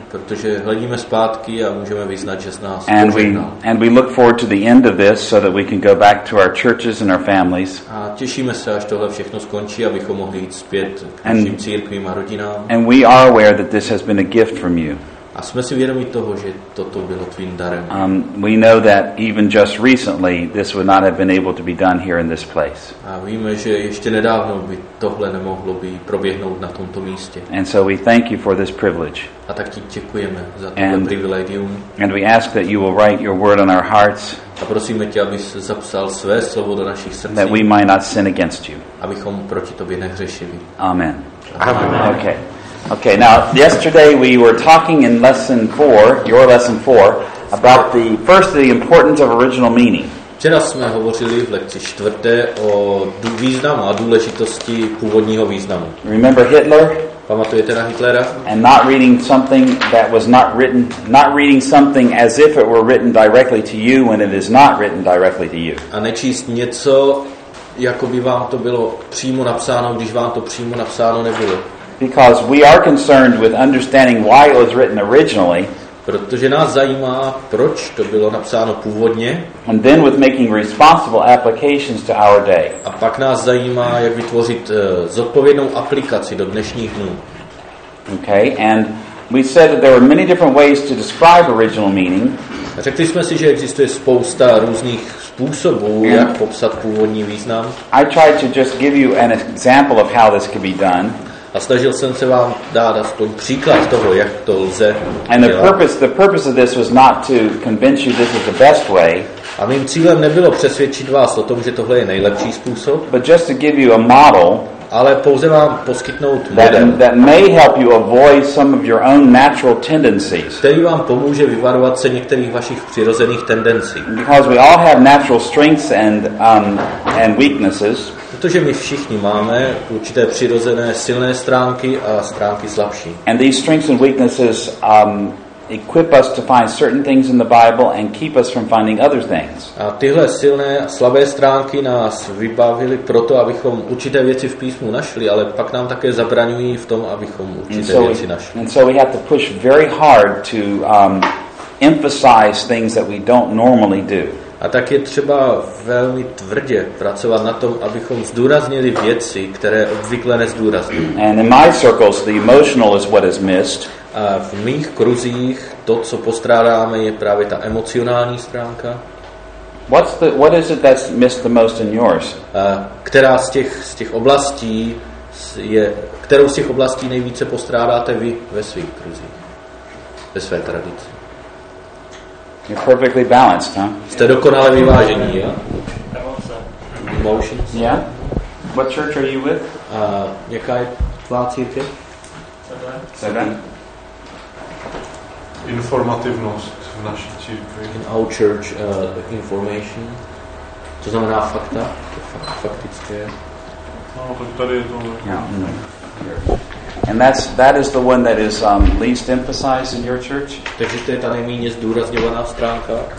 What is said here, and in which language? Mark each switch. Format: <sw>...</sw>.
<en>And we look forward to the end of this so that we can go back to our churches and our families. And we are aware that this has been a gift from you.</en> <cs>A jsme si vědomi toho, že toto bylo tvým darem.</cs> <en>We know that even just recently this would not have been able to be done here in this place.</en> <cs>A víme, že ještě nedávno by tohle nemohlo by proběhnout na tomto místě.</cs> <en>And so we thank you for this privilege.</en> <cs>A tak ti děkujeme za tohle privilegium.</cs> <en>And we ask that you will write your word on our hearts.</en> <cs>A prosíme tě, abys zapsal své slovo do našich srdcí.</cs> <en>That we might not sin against you.</en> <cs>Abychom proti tobě nehřešili.</cs> <en>Amen.</en> <cs>Amen.</cs> <en>Okay. Okay, now yesterday we were talking in lesson 4, your lesson 4, about the first the importance of original meaning.</en> <cs>Včera jsme hovořili v lekci 4 o významu a důležitosti původního významu.</cs> <en>Remember Hitler?</en> <cs>Pamatujete na Hitlera?</cs> <en>And not reading something that was not written, not reading something as if it were written directly to you when it is not written directly to you.</en> <cs>A nečíst něco, jako by vám to bylo přímo napsáno, když vám to přímo napsáno nebylo.</cs> <en>Because we are concerned with understanding why it was written originally,</en> <cs>protože nás zajímá, proč to bylo napsáno původně,</cs> <en>and then with making responsible applications to our day.</en> <cs>A pak nás zajímá, jak vytvořit zodpovědnou aplikaci do dnešních dnů.</cs> <en>Okay, and we said that there were many different ways to describe original meaning.</en> <cs>A řekli jsme si, že existuje spousta různých způsobů, jak popsat původní význam.</cs> <en>I tried to just give you an example of how this could be done.</en> <cs>A snažil jsem se vám dát aspoň příklad toho, jak to lze dělat.</cs> <en>The purpose of this was not to convince you this is the best way.</en> <cs>A mým cílem nebylo přesvědčit vás o tom, že tohle je nejlepší způsob.</cs> <en>But just to give you a model.</en> <cs>Ale pouze vám poskytnout model.</cs> <en>That may help you avoid some of your own natural tendencies.</en> <cs>Který vám pomůže vyvarovat se některých vašich přirozených tendencí.</cs> <en>Because we all have natural strengths and weaknesses.</en> <cs>Protože my všichni máme určité přirozené silné stránky a stránky slabší.</cs> <en>And these strengths and weaknesses equip us to find certain things in the Bible and keep us from finding other things.</en> <cs>A tyhle silné a slabé stránky nás vybavily proto, abychom určité věci v písmu našli, ale pak nám také zabraňují v tom, abychom určité věci našli.</cs> <en>And so we have to push very hard to emphasize things that we don't normally do.</en> <cs>A tak je třeba velmi tvrdě pracovat na tom, abychom zdůraznili věci, které obvykle nezdůrazňujeme.</cs> <en>And in my circles the emotional is what is missed.</en> <cs>A v mých kruzích to, co postrádáme, je právě ta emocionální stránka.</cs> <en>What is it that's missed the most in yours?</en> <cs>Která z těch oblastí je, kterou z těch oblastí nejvíce postrádáte vy ve svých kruzích? Ve své tradici.</cs> <en>You're perfectly balanced, huh?</en> <cs>Jste dokonale vyvážení, jo?</cs> <en>Emotions. Yeah. What church are you with?</en> <cs>Jaká je tvá církev?</cs> <en>Seven.</en> <cs>Informativnost v naší církvi.</cs> <en>In our church, information.</en> <cs>To znamená fakta? To faktické. No, tak tady je to.</cs> <en>Yeah. Mm-hmm. And that is the one that is least emphasized in your church.</en> <cs>Takže to je ta nejméně zdůrazňovaná stránka.</cs>